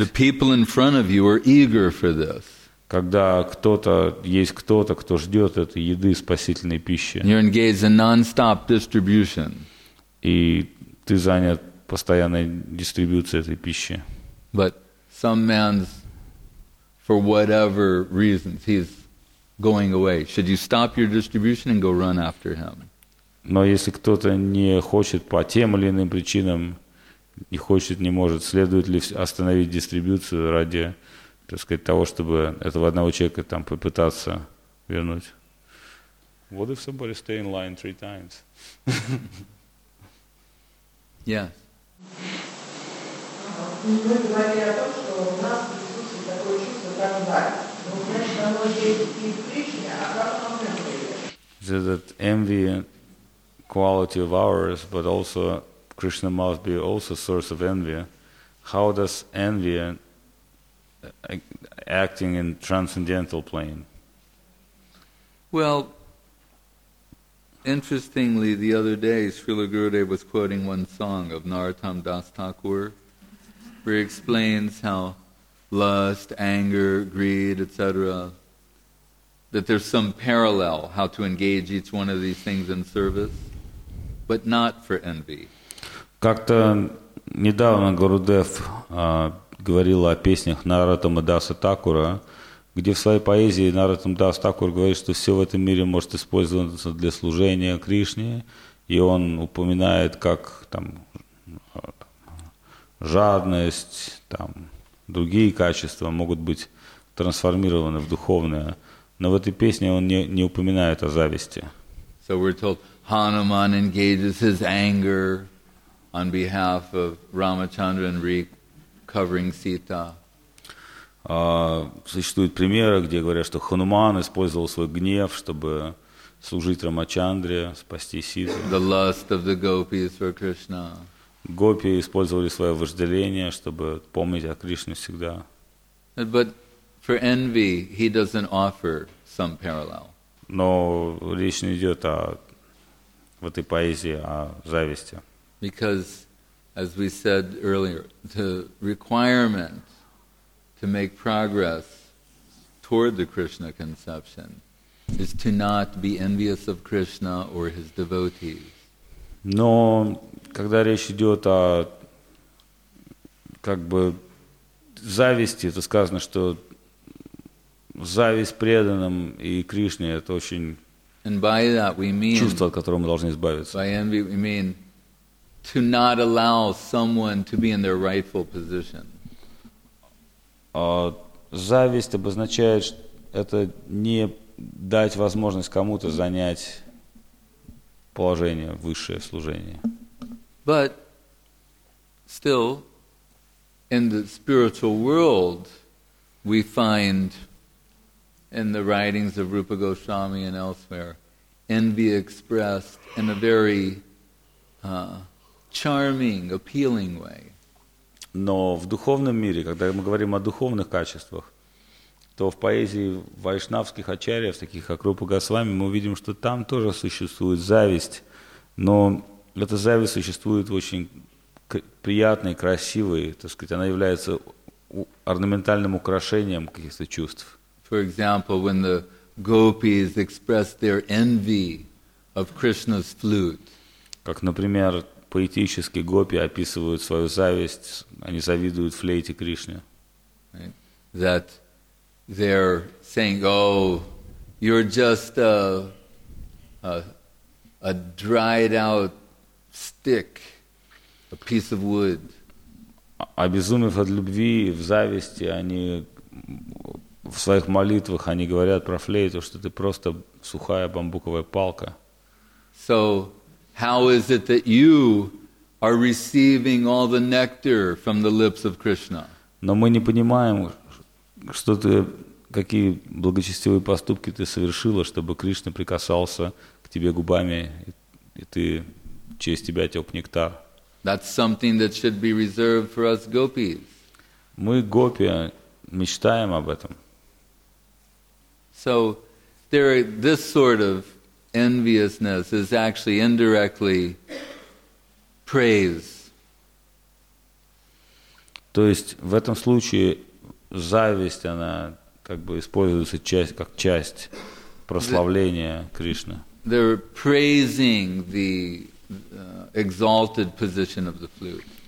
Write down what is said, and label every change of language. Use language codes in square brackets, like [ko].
[en] The people in front of you are eager for this. [ru] Когда кто-то есть кто-то, кто ждет этой еды, спасительной пищи. [en] You're engaged in non-stop distribution. [ru] И ты занят постоянной дистрибуцией этой пищи. [en] But some man's, for whatever reasons, he's going away. Should you stop your distribution and go run after him? [ru] Но если кто-то не хочет по тем или иным причинам, не хочет, не может, следует ли остановить дистрибуцию ради, так сказать, того, чтобы этого одного человека там попытаться вернуть? [en] What if somebody stay in line three times? Yes. [ru] Мы говорили о том, что у нас присутствует такое чувство, как зависть. Но, конечно, оно есть и в Кришне, а как в Кришне? [en] That envy quality of ours, but also Krishna must be also source of envy. How does envy acting in transcendental plane? Well, interestingly, the other day, Srila Gurudev was quoting one song of Narottam Das Thakur. Where he explains how lust, anger, greed, etc., that there's some parallel how to engage each one of these things in service, but not for envy. [ru] Как-то недавно Гурудев говорил о песнях Нарадама Даса Такура, где в своей поэзии Нарадам Дас Такур говорит, что все в этом мире может использоваться для служения Кришне, и он упоминает, как там жадность, там, другие качества могут быть трансформированы в духовное. Но в этой песне он не упоминает о зависти. [en] So we're told Hanuman engages his anger on behalf of Ramachandra and recovering Sita. [ru] Существуют примеры, где говорят, что Хануман использовал свой гнев, чтобы служить Рамачандре, спасти Ситу. [en] The lust of the gopis for Krishna. [ru] Гопи использовали свое вожделение, чтобы помнить о Кришне всегда. [en] But for envy, he doesn't offer some parallel. [ru] Но речь не идет о, в этой поэзии о зависти. [en] Because, as we said earlier, the requirement to make progress toward the Krishna conception is to not be envious of Krishna or his devotees. [ru] Но когда речь идет о как бы зависти, то сказано, что зависть преданным и Кришне это очень чувство, от которого мы должны избавиться. [en] By envy we mean to not allow someone to be in their rightful position. [ru] Зависть обозначает, что это не дать возможность кому-то занять положение, высшее служение. [en] But still, in the spiritual world, we find in the writings of Rupa Goswami and elsewhere, envy expressed in a very charming, appealing way. [ru] Но в духовном мире, когда мы говорим о духовных качествах, то в поэзии вайшнавских ачарьев, таких как Рупа Госвами, мы видим, что там тоже существует зависть, но эта зависть существует в очень приятной, красивой, так сказать, она является орнаментальным украшением каких-то чувств. [en] For example, when the gopis express their envy of Krishna's flute. [ru] Как, например, поэтически гопи описывают свою зависть, они завидуют флейте Кришне. [en] That they're saying, oh, you're just a dried out stick, a piece of wood. [ru] Обезумев от любви и в зависти, они в своих молитвах они говорят про флейту, что ты просто сухая бамбуковая палка. [en] So, how is it that you are receiving all the nectar from the lips of Krishna? [ru] Но мы не понимаем, что ты, какие благочестивые поступки ты совершила, чтобы Кришна прикасался к тебе губами, и ты через тебя тек нектар. [en] That's something that should be reserved for us gopis. [ru] Мы гопи мечтаем об этом. [en] So, there are this sort of enviousness is actually indirectly praise. [ru] То есть в этом случае зависть она как бы используется часть как часть прославления Кришны. [en] They're praising the exalted position of the flute.